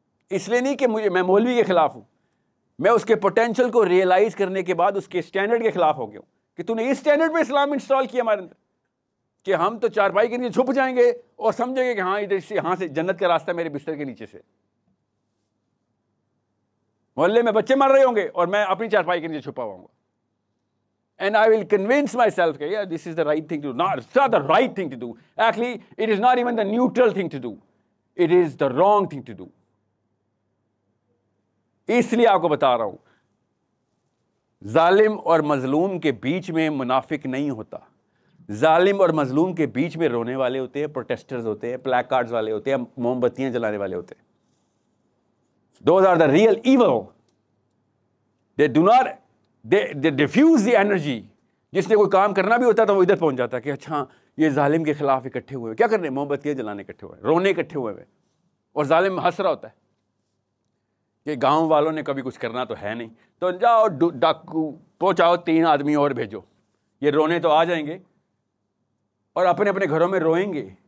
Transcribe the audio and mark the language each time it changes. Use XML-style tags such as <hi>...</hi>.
<hi>इसलिए नहीं कि मुझे, मैं मौलवी के खिलाफ हूं, मैं उसके पोटेंशियल को रियलाइज करने के बाद उसके स्टैंडर्ड के खिलाफ हो गया हूं कि तूने इस स्टैंडर्ड में इस्लाम इंस्टॉल किया हमारे अंदर कि हम तो चारपाई के नीचे छुप जाएंगे और समझेंगे कि हाँ इधर से, हाँ से जन्नत का रास्ता मेरे बिस्तर के नीचे से, मोहल्ले में बच्चे मर रहे होंगे और मैं अपनी चारपाई के नीचे छुपा हुआ.</hi> <en>And I will convince myself that yeah, this is the right thing to do. Not, it's not the right thing to do. Actually, it is not even the neutral thing to do. It is the wrong thing to do.</en> <hi>इसलिए आपको बता रहा हूं, जालिम और मजलूम के बीच में मुनाफिक नहीं होता. जालिम और मजलूम के बीच में रोने वाले होते हैं, प्रोटेस्टर्स होते हैं, प्लैक कार्ड्स वाले होते हैं, मोमबत्तियां जलाने वाले होते हैं.</hi> <en>Those are the real evil. They do not. They diffuse the energy.</en> <hi>जिसने कोई काम करना भी होता था वो इधर पहुंच जाता कि अच्छा ये जालिम के खिलाफ इकट्ठे हुए क्या कर रहे हैं, मोमबत्तियां जलाने इकट्ठे हुए, रोने इकट्ठे हुए हैं, और जालिम हंस रहा होता है कि गांव वालों ने कभी कुछ करना तो है नहीं, तो जाओ डाकू पहुंचाओ, तीन आदमी और भेजो, ये रोने तो आ जाएंगे और अपने अपने घरों में रोएंगे.</hi>